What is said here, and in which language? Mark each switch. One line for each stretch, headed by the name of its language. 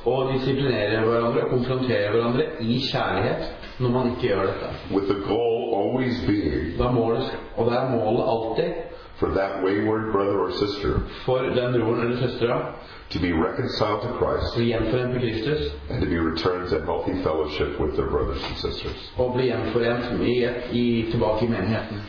Norwegian: Og disiplinerer hverandre og konfronterer hverandre I kjærlighet når man ikke gjør dette.
English: With the goal always being.
Norwegian: Det er målet alltid.
English: For that wayward brother or sister.
Norwegian: For den broren eller søsteren.
English: To be reconciled to Christ.
Norwegian: Bli gjenforent med Kristus.
English: And to be returned to healthy fellowship with their brothers and sisters.
Norwegian: Og bli gjenforent med tilbake I menigheten.